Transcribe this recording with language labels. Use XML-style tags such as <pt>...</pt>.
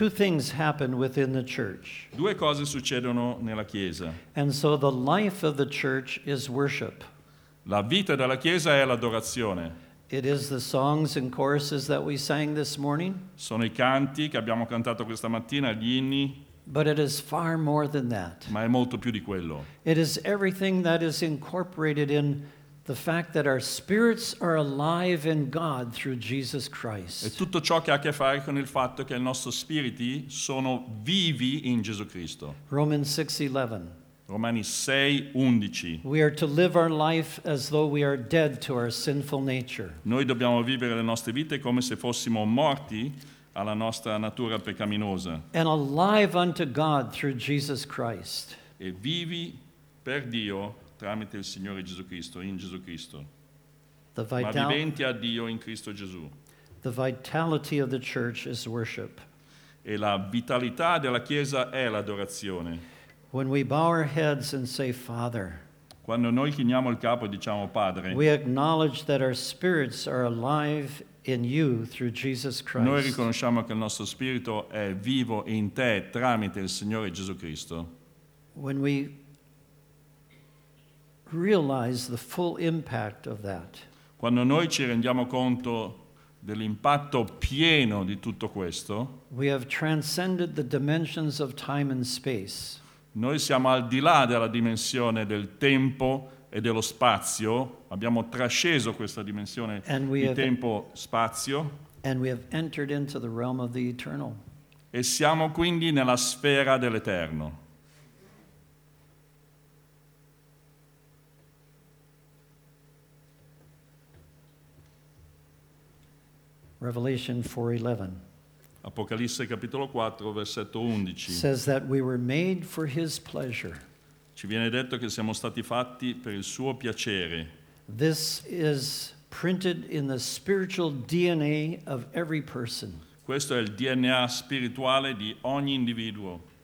<en>Two things happen within the church.</en> <it>Due cose succedono nella chiesa.</it> <en>And so the life of the church is worship.</en> <it>La vita della chiesa è l'adorazione.</it> <en>It is the songs and choruses that we sang this morning.</en> <it>Sono i canti che abbiamo cantato questa mattina, gli inni.</it> <en>But it is far more than that.</en> <it>Ma è molto più di quello.</it> <en>It is everything that is incorporated in the fact that our spirits are alive in God through Jesus Christ.</en> <it>È tutto ciò che ha a che fare con il fatto che i nostri spiriti sono vivi in Gesù Cristo.</it> <en>Romans 6:11.</en> <it>Romani 6:11.</it> <en>We are to live our life as though we are dead to our sinful nature.</en> <it>Noi dobbiamo vivere le nostre vite come se fossimo morti alla nostra natura peccaminosa.</it> <en>And alive unto God through Jesus Christ.</en> <it>E vivi per Dio tramite il Signore Gesù Cristo, in Gesù Cristo. Ma viventi a Dio in Cristo Gesù.</it> <en>The vitality of the church is worship.</en> <it>E la vitalità della Chiesa è l'adorazione.</it> <en>When we bow our heads and say, Father,</en> <it>quando noi chiniamo il capo e diciamo Padre,</it> <en>we acknowledge that our spirits are alive in you through Jesus Christ.</en> <it>Noi riconosciamo che il nostro spirito è vivo in te tramite il Signore Gesù Cristo.</it> <en>When we realize the full impact of that.</en> <it>Quando noi ci rendiamo conto dell'impatto pieno di tutto questo.</it> <en>We have transcended the dimensions of time and space.</en> <it>Noi siamo al di là della dimensione del tempo e dello spazio, abbiamo trasceso questa dimensione di tempo spazio.</it> <en>And we have entered into the realm of the eternal.</en> <it>E siamo quindi nella sfera dell'eterno.</it> <en>Revelation 4:11.</en> <it>Apocalisse capitolo 4 versetto 11.</it> <en>Says that we were made for his pleasure.</en> <it>Ci viene detto che siamo stati fatti per il suo piacere.</it> <en>This is printed in the spiritual DNA of every person.</en> <it>Questo è il DNA spirituale di ogni individuo.</it>